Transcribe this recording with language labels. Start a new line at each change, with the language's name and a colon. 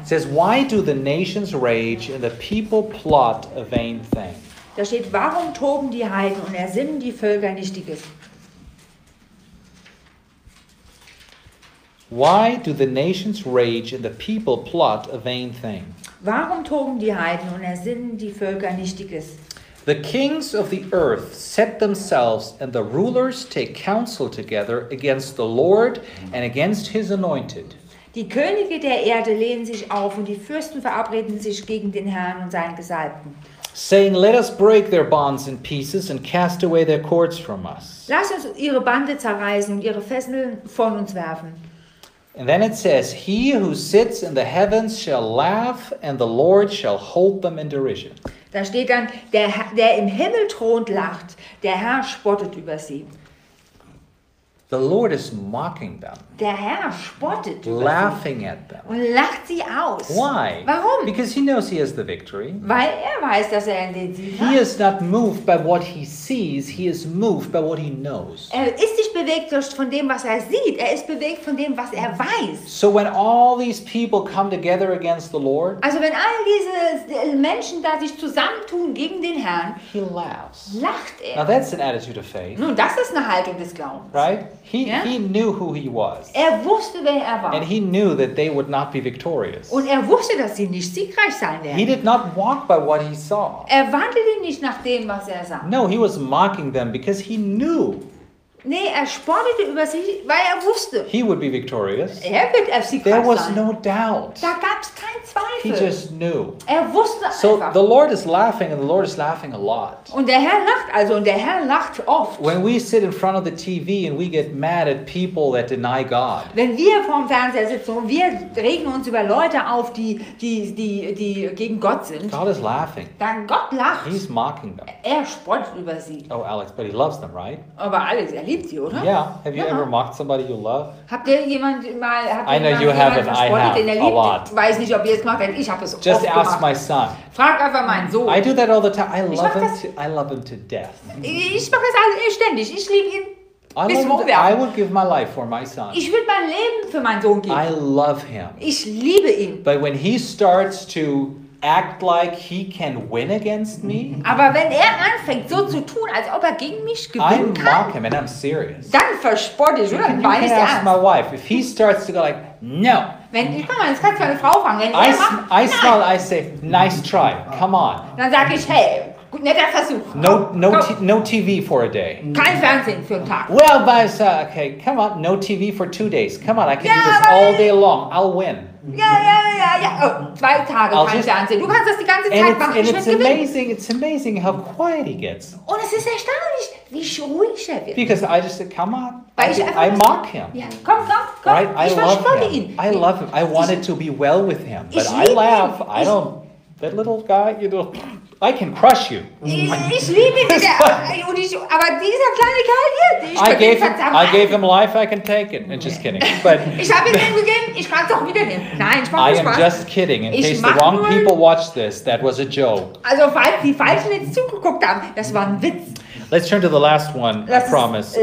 English: It says, why do the nations rage and the people plot a vain thing?
German: Da steht, warum toben die Heiden und ersinnen die Völker nichtiges?
English: Why do the nations rage and the people plot a vain thing?
German: Warum toben die Heiden und ersinnen die Völker nichtiges?
English: The kings of the earth set themselves and the rulers take counsel together against the Lord and against his anointed.
German: Die Könige der Erde lehnen sich auf und die Fürsten verabreden sich gegen den Herrn und seinen Gesalbten.
English: Saying, let us break their bonds in pieces and cast away their cords from us.
German: Lass uns ihre Bande zerreißen und ihre Fesseln von uns werfen.
English: And then it says, he who sits in the heavens shall laugh, and the Lord shall hold them in derision.
German: Da steht dann, der im Himmel thront, lacht, der Herr spottet über sie.
English: The Lord is mocking them.
German: Der Herr spottet.
English: Laughing at them.
German: Und lacht sie aus.
English: Why?
German: Warum?
English: Because he knows he has the victory.
German: Weil er weiß, dass er den Sieg hat.
English: He is not moved by what he sees. He is moved by what he knows.
German: Er ist nicht bewegt von dem, was er sieht. Er ist bewegt von dem, was er weiß.
English: So when all these people come together against the Lord.
German: Also wenn all diese Menschen da sich zusammentun gegen den Herrn.
English: He laughs.
German: Lacht er.
English: Now that's an attitude of faith.
German: Nun, das ist eine Haltung des Glaubens.
English: Right? He knew who he was.
German: Er wusste, wer er war.
English: And he knew that they would not be victorious.
German: Und er wusste, dass sie nicht siegreich sein werden.
English: He did not walk by what he saw.
German: Er wandelte nicht nach dem, was er sah.
English: No, he was mocking them because he knew.
German: Nee, er spottete über sie, weil er wusste.
English: He would be victorious.
German: Er wird siegreich sein.
English: There was no doubt.
German: Da gab's keinen Zweifel.
English: He just knew.
German: Er wusste einfach.
English: So the Lord is laughing, and the Lord is laughing a lot.
German: Und der Herr lacht also, und der Herr lacht oft.
English: When we sit in front of the TV and we get mad at people that deny God.
German: Wenn wir vorm Fernseher sitzen und wir regen uns über Leute auf, die gegen Gott sind.
English: God is laughing.
German: Dann Gott lacht.
English: He's mocking them.
German: Er spottet über sie.
English: Oh Alex, but he loves them, right?
German: Aber Alex, er liebt sie, oder?
English: Yeah. Have you ever mocked somebody you love?
German: Habt ihr jemand mal?
English: I know you haven't. I have a lot.
German: Weiß nicht, ob ihr es macht, denn ich habe es oft.
English: Just ask
German: gemacht.
English: My son.
German: Frag einfach meinen Sohn.
English: I do that all the time. I love him. I love him to death.
German: Ich mache es also ständig. Ich liebe ihn.
English: I would give my life for my son.
German: Ich würde mein Leben für meinen Sohn geben.
English: I love him.
German: Ich liebe ihn.
English: But when he starts to act like he can win against me.
German: Aber wenn er anfängt, so zu tun, als ob er gegen mich gewinnen kann,
English: I mock him and I'm serious.
German: Dann verspott ich, oder?
English: You can ask my wife if he starts to go like, no.
German: Wenn ich komme, jetzt kannst du meine Frau fangen. Wenn
English: I smile, I say, nice try, come on.
German: Dann sage ich, hey, netter Versuch.
English: No TV for a day.
German: Kein Fernsehen für einen Tag.
English: Well, but okay, come on, no TV for 2 days. Come on, I can do this all day long. I'll win.
German: Ja. Oh, 2 Tage kein Fernsehen. Du kannst das die ganze Zeit machen.
English: And it's amazing. It's amazing how quiet he gets.
German: Und es ist erstaunlich, wie ruhig er wird.
English: Because I just said, come on. I mock him. Yeah.
German: Komm.
English: Right?
German: Ich verspotte ihn.
English: I love him. I wanted to be well with him. But I laugh. I don't. That little guy, you know. I can crush you.
German: Ich liebe ihn, aber dieser kleine Kerl hier,
English: I gave him life, I can take it. Just kidding. But
German: ich habe ihm den gegeben, ich kann es doch wieder nehmen. Nein, ich mache Spaß.
English: I am just kidding. In case the wrong people watch this, that was a joke.
German: Also, falls die falschen jetzt zugeguckt haben, das war ein Witz.
English: Let's turn to the last one, I promise.